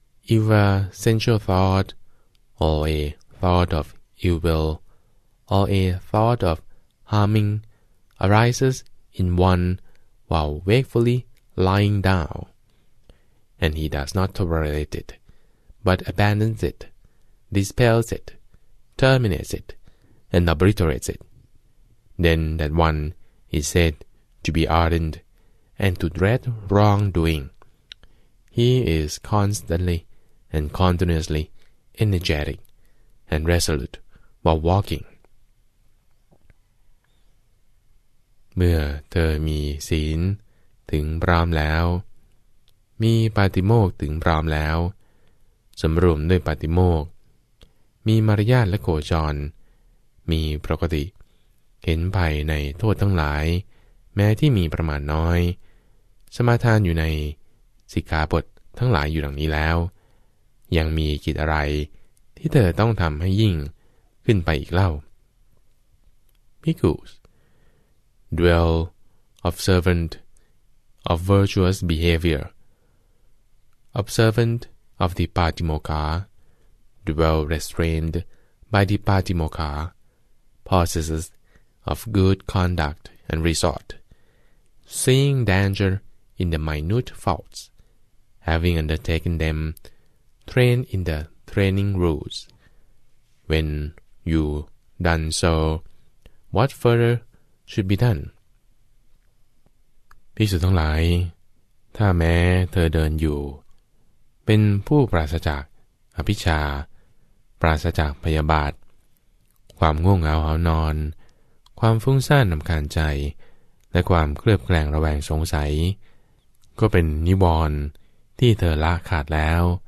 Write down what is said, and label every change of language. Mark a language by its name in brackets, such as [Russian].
[English] If a sensual thought or a thought of ill will or a thought of harming arises in one while wakefully lying down, and he does not tolerate it, but abandons it, dispels it, terminates it, and obliterates it, then that one is said to be ardent and to dread wrongdoing. He is constantly and continuously energetic and resolute while walking. [Thai] เมื่อเธอมีศีลถึงพร้อมแล้วมีปาติโมกถึงพร้อมแล้วสำรวมด้วยปาติโมก มีมารยาทและโคจรมีปกติเห็นภัยในโทษทั้งหลายแม้ที่มีประมาณน้อยสมาทานอยู่ในสิกขาบททั้งหลายอยู่ดังนี้แล้ว ยังมีกิจอะไรที่เธอต้องทำให้ยิ่งขึ้นไปอีกเล่า [English] ภิกขุDwell, observant of virtuous behavior, observant of the Patimokkha, dwell restrained by the Patimokkha, possesses of good conduct and resort, seeing danger in the minute faults, having undertaken them, train in the training rules. When you done so, what further should be done? [Thai] ภิกษุทั้งหลายถ้าแม้เธอเดินอยู่เป็นผู้ปราศจากอภิชฌาปราศจากพยาบาทความง่วงเหงาหานอนความฟุ้งซ่านนำคาญใจและความเคลือบแคลงระแวงสงสัยก็เป็นนิวรณ์ที่เธอละขาดแล้ว